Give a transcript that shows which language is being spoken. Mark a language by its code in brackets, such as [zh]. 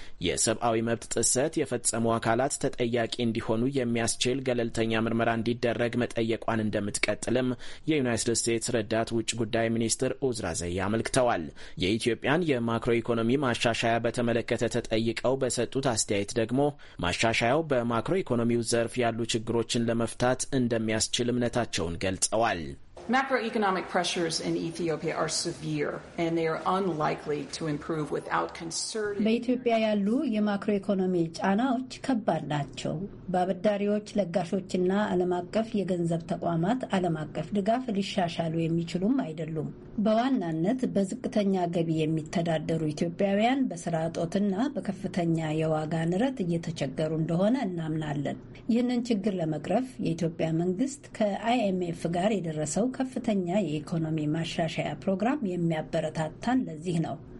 [am] የሰብአዊ መብት ጥሰት የፈጸሙ አካላት ተጠያቂ እንዲሆኑ የሚያስችል ገለልተኛ ምርመራ እንዲደረግ መጠየቋን እንደምትቀጥልም የዩናይትድ ስቴትስ ረዳት ውጭ ጉዳይ ሚኒስትር ኡዝራ ዘያ አመልክተዋል። የኢትዮጵያን የማክሮ ኢኮኖሚ ማሻሻያ በተመለከተ ተጠይቀው በሰጡት አስተያየት ደግሞ ማሻሻያው በማክሮ ኢኮኖሚው ዘርፍ ያሉ ችግሮችን ለመፍታት እንደሚያስችል እምነታቸውን ገልጸዋል። [en] Macroeconomic pressures in Ethiopia are severe and they are unlikely to improve without concerted [am] በኢትዮጵያ ያሉ የማክሮኢኮኖሚ ጫናዎች ከባድ ናቸው። ባበዳሪዎች፣ ለጋሾችና ዓለም አቀፍ የገንዘብ ተቋማት ዓለም አቀፍ ድጋፍ ሊሻሻሉ የሚችሉም አይደሉም። በዋናነት በዝቅተኛ ገቢ የሚተዳደሩ ኢትዮጵያውያን በሥራ አጥነትና በከፍተኛ የዋጋ ንረት እየተቸገሩ እንደሆነ እናምናለን። ይህንን ችግር ለመቅረፍ የኢትዮጵያ መንግስት ከIMF ጋር የደረሰው ከፍተኛ የኢኮኖሚ ማሻሻያ ፕሮግራም የሚያበረታታን ለዚህ ነው።